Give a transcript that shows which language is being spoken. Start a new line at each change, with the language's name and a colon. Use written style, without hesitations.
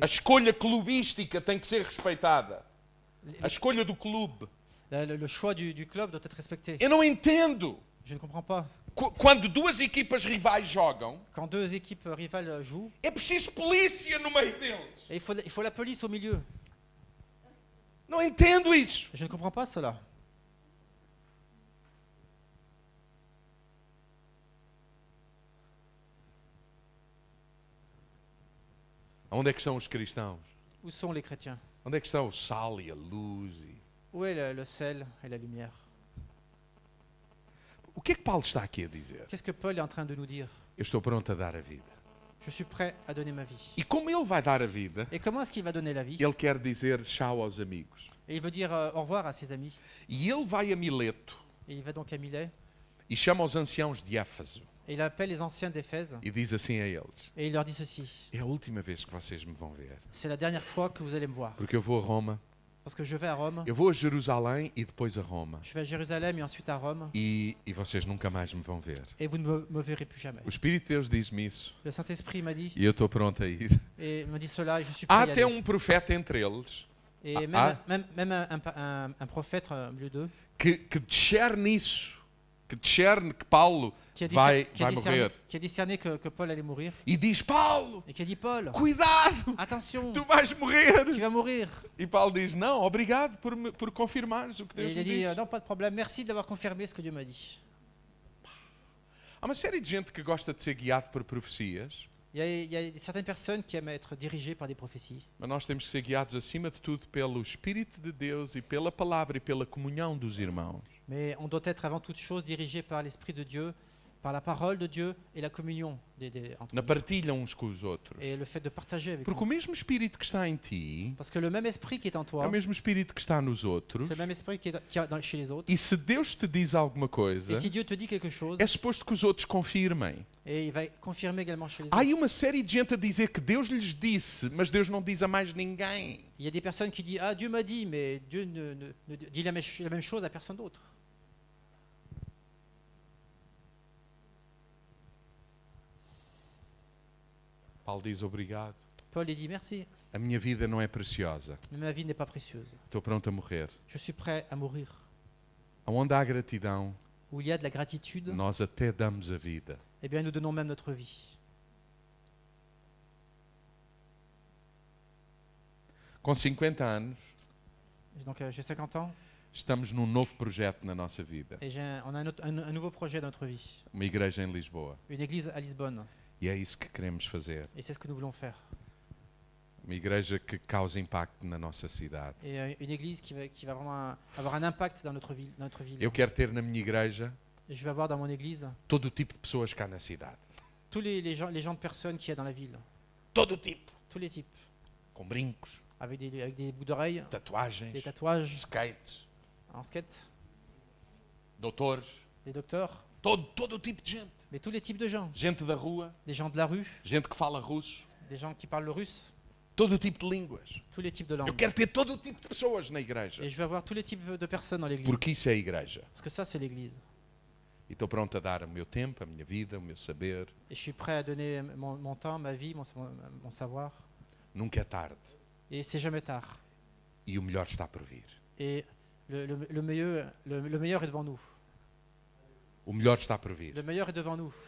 Portuguese: A escolha clubística tem que ser respeitada. A escolha do clube.
French: Le choix du club doit être respecté.
Portuguese: Eu não entendo.
French: Je ne comprends pas.
Portuguese: Quando duas equipas rivais jogam,
French: quand deux équipes rivales jouent,
Portuguese: é preciso polícia no meio deles.
French: Il faut la police au milieu.
Portuguese: Não entendo isso.
French: Je ne comprends pas cela.
Portuguese: Onde é que estão os cristãos?
French: Où sont les chrétiens?
Portuguese: Onde é que estão o sal e a luz? E...
French: Où est le sel et la lumière?
Portuguese: O que é que Paulo está aqui a dizer?
French: Qu'est-ce que Paul est en train de nous dire?
Portuguese: Eu estou pronto a dar a vida.
French: Je suis prêt à donner ma vie.
Portuguese: E como ele vai dar a vida?
French: Et comment est-ce qu'il va donner la vie?
Portuguese: Ele quer dizer tchau aos amigos.
French: Et il veut dire au revoir à ses amis.
Portuguese: E ele vai a Mileto.
French: Et il va donc à Milet.
Portuguese: E chama os anciãos de Éfeso.
French: Et il appelle les anciens d'Éphèse.
Portuguese: E diz assim a eles.
French: Et il leur dit ceci.
Portuguese: É a última vez que vocês me vão ver.
French: C'est la dernière fois que vous allez me voir.
Portuguese: Porque eu vou a Roma.
French: Parce que je vais à Rome.
Portuguese: Eu vou a Jerusalém e depois a Roma.
French: Je vais à Jérusalem et ensuite à Rome.
Portuguese: E vocês nunca mais me vão ver.
French: Et vous ne me verrez plus jamais.
Portuguese: O Espírito de Deus diz-me isso.
French: Le Saint-Esprit m'a dit.
Portuguese: E eu estou pronto a ir.
French: Et il m'a dit cela et je suis prêt.
Portuguese: Há até um profeta entre eles.
French: Et même un prophète au milieu d'eux.
Portuguese: Que discerne isso. Que discerne que Paulo vai morrer.
French: Que discerne que Paul allait mourir.
Portuguese: E diz, Paulo,
French: et qui dit, Paul,
Portuguese: cuidado,
French: attention,
Portuguese: tu vais morrer.
French: Tu vas mourir.
Portuguese: E Paulo diz, não, obrigado por confirmares o que Deus
French: et
Portuguese: me disse. Ele diz, não,
French: pas de problème, merci d'avoir confirmé ce que Dieu m'a dit.
Portuguese: Há uma série de gente que gosta de ser guiado por profecias.
French: Il y a certaines personnes qui aiment être dirigées par des prophéties.
Portuguese: Mas nós temos que ser guiados acima de tudo pelo Espírito de Deus e pela palavra e pela comunhão dos irmãos.
French: Mais on doit être avant toute chose dirigé par l'Esprit de Dieu, par la parole de Dieu et la communion des entre nous.
Portuguese: Na partilha uns com os outros.
French: Et le fait de partager avec.
Portuguese: Porque o mesmo Espírito que está em ti.
French: Parce que le même esprit qui est en toi.
Portuguese: É o mesmo Espírito que está nos outros.
French: C'est le même esprit qui est chez les autres.
Portuguese: E se Deus te diz alguma coisa.
French: Et si Dieu te dit quelque chose.
Portuguese: É suposto que os outros confirmem.
French: Et il va confirmer également chez les autres.
Portuguese: Há uma série de gente a dizer que Deus lhes disse, mas Deus não diz a mais ninguém.
French: Il y a des personnes qui disent ah Dieu m'a dit mais Dieu ne dit la même chose à personne d'autre.
Portuguese: Paulo diz obrigado. Paul lhe diz merci. A minha vida não é preciosa. Minha vida
French: n'est pas précieuse.
Portuguese: Estou pronto a morrer.
French: Je suis prêt à mourir.
Portuguese: Onde há gratidão?
French: Où il y a de la gratitude?
Portuguese: Nós até damos a vida.
French: Eh bien, nous donnons même notre vie.
Portuguese: Com 50 anos.
French: Donc j'ai 50 ans.
Portuguese: Estamos num novo projeto na nossa vida.
French: Et j'ai un nouveau projet dans notre vie.
Portuguese: Uma igreja em Lisboa.
French: Une église à Lisbonne.
Portuguese: E é isso que queremos fazer.
French: Et c'est ce que nous voulons faire.
Portuguese: Uma igreja que cause impacto na nossa cidade.
French: Et une église qui va vraiment avoir un impact dans notre ville,
Portuguese: Eu quero ter na minha igreja.
French: Je vais avoir dans mon église.
Portuguese: Todo o tipo de pessoas cá na cidade.
French: Tous les gens de personnes qui est dans la ville.
Portuguese: Todo tipo.
French: Tous les types.
Portuguese: Com brincos.
French: Avec des boucles d'oreilles.
Portuguese: Tatuagens.
French: Des tatouages.
Portuguese: Skate.
French: En skate.
Portuguese: Doutores.
French: Des docteurs.
Portuguese: Todo o tipo de gente.
French: Mais tous les types de gens.
Portuguese: Gente da rua.
French: Des gens de la rue.
Portuguese: Gente que fala russo.
French: Des gens qui parlent le russe.
Portuguese: Todo tipo de línguas.
French: Tous les types de langues.
Portuguese: Eu quero ter todo o tipo de pessoas na igreja.
French: Et je veux avoir tous les types de personnes dans l'église.
Portuguese: Porque isso é a igreja.
French: Parce que ça c'est l'église.
Portuguese: E estou pronto a dar o meu tempo, a minha vida, o meu saber.
French: Et je suis prêt à donner mon temps, ma vie, mon savoir.
Portuguese: Nunca é tarde.
French: Et c'est jamais tard.
Portuguese: E o melhor está por vir.
French: Et le meilleur est devant nous.
Portuguese: O melhor está por vir.
French: Le meilleur est devant nous.